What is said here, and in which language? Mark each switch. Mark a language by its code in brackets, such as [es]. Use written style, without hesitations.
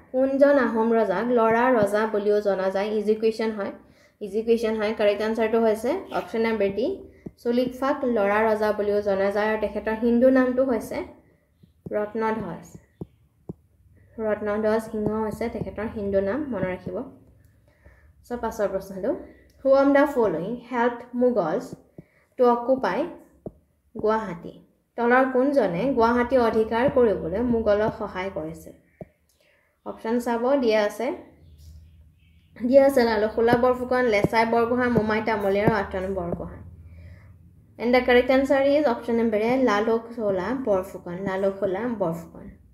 [as] কোনজন আহোম ৰজাক ল'ৰা ৰজা বুলিও জনা যায়? ইজি কুৱেশ্যন হয়, ইজি কুৱেশ্যন হয়। কাৰেক্ট আনচাৰটো হৈছে অপশ্যন নম্বৰ ডি চুলিকফাক ল'ৰা ৰজা বুলিও জনা যায় আৰু তেখেতৰ হিন্দু নামটো হৈছে ৰত্নধ্বজ। ৰত্নধ্বজ সিংহ হৈছে তেখেতৰ হিন্দু নাম, মনত ৰাখিব। চ' পাছৰ প্ৰশ্নটো, [en] Who of the following helped Mughals to occupy Guwahati? [as] তলৰ কোনজনে গুৱাহাটী অধিকাৰ কৰিবলৈ মোগলক সহায় কৰিছিল? অপশ্যন চাব, দিয়া আছে, দিয়া আছে লালখোলা বৰফুকন, লেচাই বৰগোহাঁই, মোমাই তামলী আৰু আটন Borgohain. [en] And the correct answer is option number A Laluksola Borphukan, Laluksola Borphukan.